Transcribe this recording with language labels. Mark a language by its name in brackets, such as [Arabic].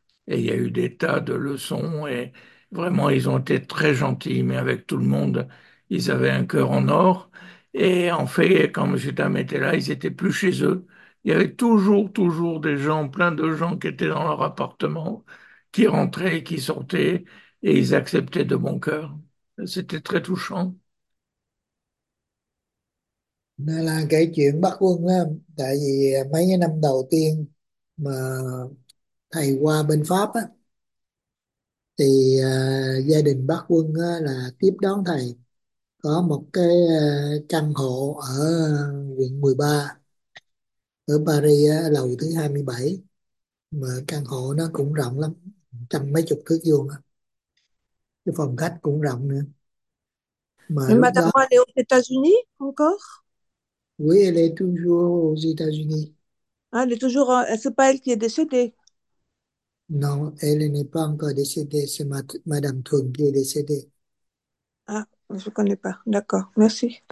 [French] Et il y a eu des tas de leçons. Et vraiment, ils ont été très gentils, mais avec tout le monde, ils avaient un cœur en or. Et en fait, quand Monsieur Tam était là, ils étaient plus chez eux. Il y avait toujours, toujours des gens, plein de gens qui étaient dans leur appartement, qui rentraient et qui sortaient, et ils acceptaient de bon cœur. C'était très touchant. [Vietnamese] Nên là cái chuyện bắt quân á, tại vì mấy cái năm đầu tiên mà thầy qua bên Pháp á, thì gia đình bác quân á, là tiếp đón thầy có một cái căn hộ ở quận 13 ở Paris á, lầu thứ 27, mà căn hộ nó cũng rộng lắm, trăm mấy chục thước vuông á. Cái phòng khách cũng rộng nữa. Mà [French] Et [Vietnamese] lúc [French] Madame [Vietnamese] đó [French] Moine est aux États-Unis encore? oui, elle est toujours aux États-Unis. Ah, elle est toujours. Est-ce pas elle qui est décédée? Non, elle n'est pas encore décédée. C'est Madame Thuần qui est décédée. Ah, je ne connais pas. D'accord, merci.